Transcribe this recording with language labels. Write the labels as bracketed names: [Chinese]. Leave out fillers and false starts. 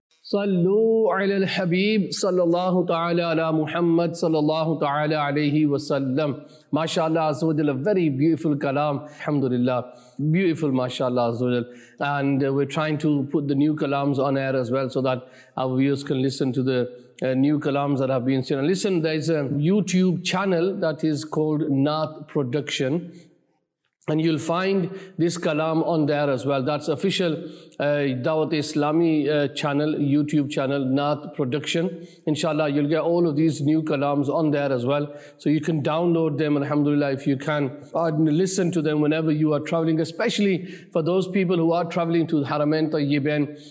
[Arabic] صلو علی الحبیب صلی اللہ تعالی علی محمد صلی اللہ تعالی علیہ وسلم. ماشاء اللہ عز و جل, [English] very beautiful کلام, [Arabic] الحمد للہ, بیوٹیفل ماشاء اللہ عز و جل. [English] And we trying to put the new kalams on air as well so that our viewers can listen to the new kalams that have been seen. Listen, there is a YouTube channel that is called Naat Production. And you'll find this kalam on there as well. That's official Dawat-e-Islami channel, YouTube channel, Naat Production. Inshallah, you'll get all of these new kalams on there as well. So you can download them, alhamdulillah, if you can. And listen to them whenever you are traveling, especially for those people who are traveling to Haramain Tayyibain.